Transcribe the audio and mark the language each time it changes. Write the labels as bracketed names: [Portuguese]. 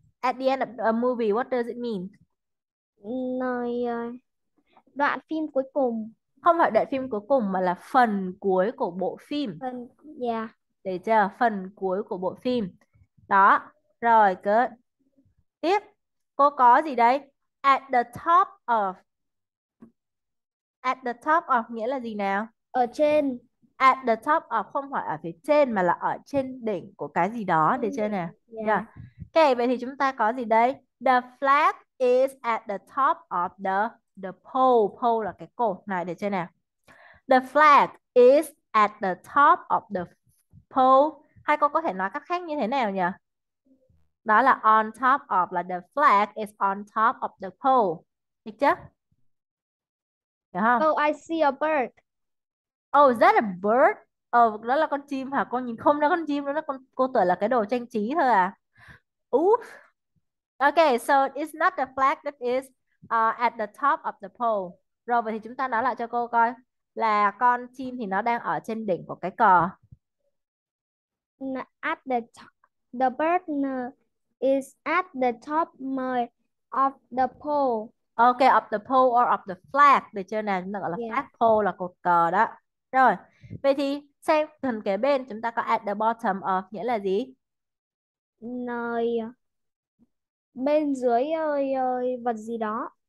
[English] At the end of a movie, what does it mean? [Vietnamese] Nơi đoạn phim cuối cùng. Không phải đoạn phim cuối cùng mà là phần cuối của bộ phim. Phần yeah. Để chờ phần cuối của bộ phim. Đó, rồi cứ tiếp. Cô có gì đây? [English] At the top of. At the top of [Vietnamese] nghĩa là gì nào? Ở trên [English] At the top of [Vietnamese] không phải ở phía trên mà là ở trên đỉnh của cái gì đó, để chơi nè. đỉnh nhà. Ok, vậy thì chúng ta có gì đây? [English] The flag is at the top of the pole. [Vietnamese] Pole là cái cột này, để chơi nào. [English] The flag is at the top of the pole. [Vietnamese] Hay cô có thể nói cách khác như thế nào nhỉ? Đó là [English] on top of, là the flag is on top of the pole. [Vietnamese] Được chưa? Được không? [English] Oh, Oh, I see a bird. is that a bird? [Vietnamese] Đó là con chim hả? Con nhìn không ra con chim, đó là con, cô tưởng là cái đồ trang trí thôi à. Oops. [English] Okay, so it's not the flag that is at the top of the pole. [Vietnamese] Rồi vậy thì chúng ta nói lại cho cô coi là con chim thì nó đang ở trên đỉnh của cái cờ. [English] At the bird is at the top of the pole. Ok, up the pole or up the flag. [Vietnamese] Được chưa nào? Chúng ta gọi [English] Yeah. [Vietnamese] là flag pole, là cột cờ đó. Rồi, vậy thì sang phần kế bên chúng ta có [English] at the bottom of, [Vietnamese] nghĩa là gì? Nơi bên dưới ơi ơi vật gì đó.